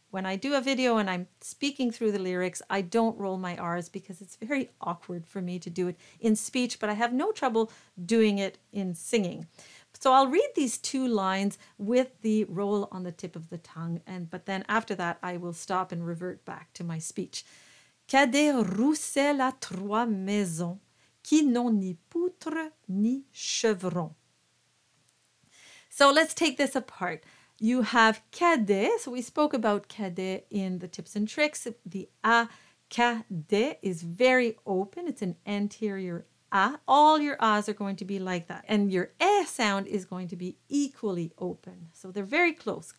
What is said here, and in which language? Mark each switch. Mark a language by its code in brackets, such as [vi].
[en] when I do a video and I'm speaking through the lyrics, I don't roll my R's because it's very awkward for me to do it in speech, but I have no trouble doing it in singing. So I'll read these two lines with the roll on the tip of the tongue, but then after that, I will stop and revert back to my speech. [fr] Cadet Rousselle a trois maisons qui n'ont ni poutre ni chevron. [en] So let's take this apart. You have cadet, so we spoke about cadet in the tips and tricks. The a cadet is very open. It's an anterior a. All your a's are going to be like that. And your e sound is going to be equally open. So they're very close.